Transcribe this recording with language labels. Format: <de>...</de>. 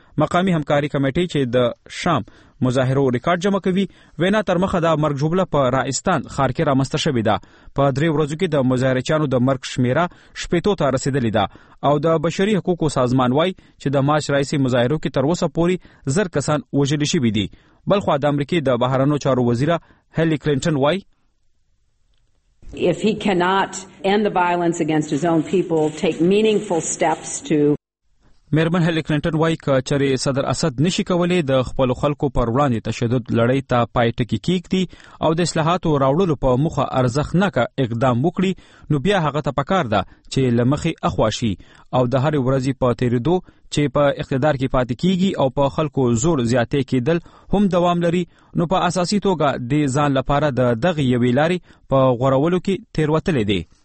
<ps>مقامی همکاري کمیټې چې د شام مظاهرو ریکارډ جمع کوي وینا تر مخه دا مرګ جوبله په راستان خار کې رامسته شوې ده. په درې ورځو کې د مظاهرچیانو د مرګ شمیره 60 ته رسیدلې ده او د بشري حقوقو سازمان وای چې د مارچ راسي مظاهرو کې تر اوسه پورې زر کسان وژل شوي دي. بلخوا د امریکای د بهرنیو چارو وزیر هیلری کلینټن وای</ps> <en>If he cannot end the violence against his own people, take meaningful steps to</en> <ps>میرمن هیلری کلینټن وای ک چرې صدر اسد نشي کولی د خپل خلکو پر وړاندې تشدد لړۍ ته پای ټکی کیږي او د اصلاحاتو راوړلو په مخه ارزښتناکه اقدام وکړي نو بیا هغه ته پکار ده چې لمخي اخواشي او د هر ورځې په تیرېدو چې په اقتدار کې پاتې کیږي او په خلکو زور زیاتې کېدل هم دوام لري نو په اساسي توګه د ځان لپاره د دغې یوې لارې په غوړولو کې تیروتلی دی.</ps>